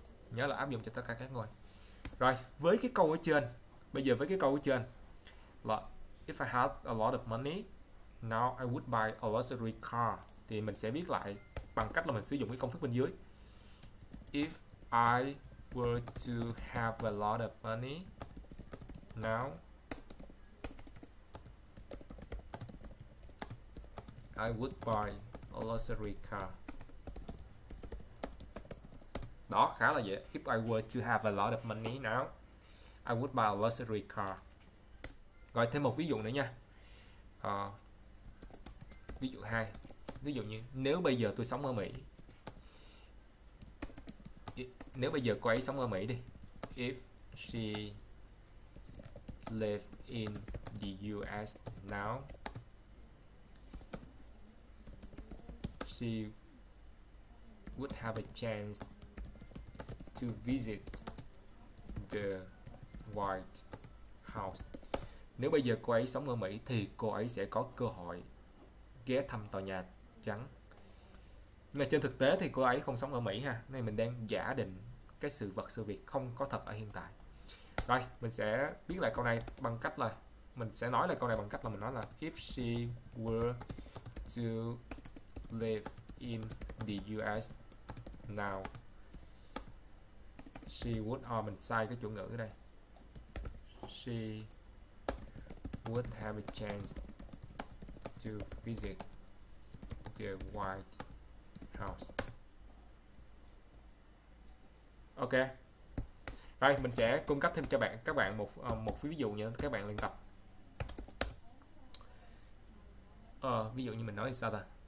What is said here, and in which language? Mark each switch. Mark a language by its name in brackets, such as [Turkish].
[Vietnamese] Nhớ là áp dụng cho tất cả các ngôi. Rồi, với cái câu ở trên, bây giờ với cái câu ở trên là [English] if I had a lot of money, now I would buy a luxury car. [Vietnamese] Thì mình sẽ viết lại bằng cách là mình sử dụng cái công thức bên dưới. [English] If I were to have a lot of money now, I would buy a luxury car. [Vietnamese] Đó, khá là dễ. [English] If I were to have a lot of money now, I would buy a luxury car. [Vietnamese] Rồi thêm một ví dụ nữa nha. Ví dụ 2. Ví dụ như nếu bây giờ tôi sống ở Mỹ. Nếu bây giờ cô ấy sống ở Mỹ đi. [English] If she live in the US now, She would have a chance to visit the White House. [Vietnamese] Nếu bây giờ cô ấy sống ở Mỹ thì cô ấy sẽ có cơ hội ghé thăm tòa nhà trắng. Nhưng mà trên thực tế thì cô ấy không sống ở Mỹ ha. Nên mình đang giả định cái sự vật sự việc không có thật ở hiện tại. Rồi, mình sẽ viết lại câu này bằng cách là mình sẽ nói lại câu này bằng cách là mình nói là [English] if she were to live in the US now, she would, [Vietnamese] or mình sai cái chủ ngữ ở đây. [English] She would have a chance to visit the White House. Ok. [Vietnamese] Rồi, mình sẽ cung cấp thêm cho bạn các bạn một một ví dụ nhé, các bạn luyện tập. Ví dụ như mình nói sao ta?